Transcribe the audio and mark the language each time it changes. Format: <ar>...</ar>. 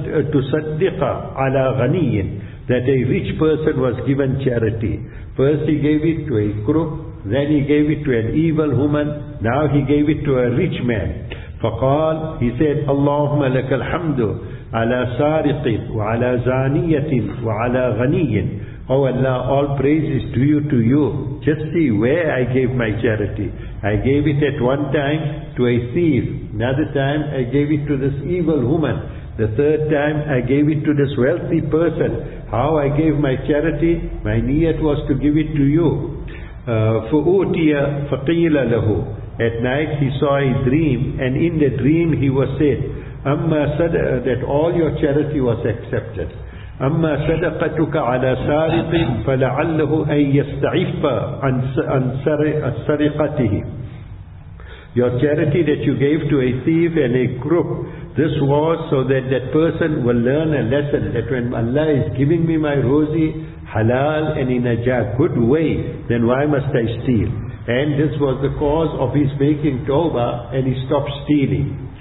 <ar>تُصَدِّقَ عَلَى غَنِيٍ,</ar> <en>that a rich person was given charity. First he gave it to a crook, then he gave it to an evil woman, now he gave it to a rich man.</en> <ar>فقال,</ar> <en>he said,</en> <ar>اللهم لك الحمد على سارق وعلى زانية وعلى غني.</ar> <en>Oh Allah, all praise is due to you. Just see where I gave my charity. I gave it at one time to a thief. Another time I gave it to this evil woman. The third time I gave it to this wealthy person. How I gave my charity? My niyat was to give it to you.</en> <ar>فَأُوْتِيَ فَقِيلَ لَهُ.</ar> <en>At night he saw a dream, and in the dream he was said, that all your charity was accepted.</en> <ar>أما صدقتك على سارق فلعله أن يستعف عن سرقته.</ar> <en>Your charity that you gave to a thief and a crook, this was so that that person will learn a lesson, that when Allah is giving me my rosy halal and in a good way, then why must I steal? And this was the cause of his making tawbah, and he stopped stealing.</en>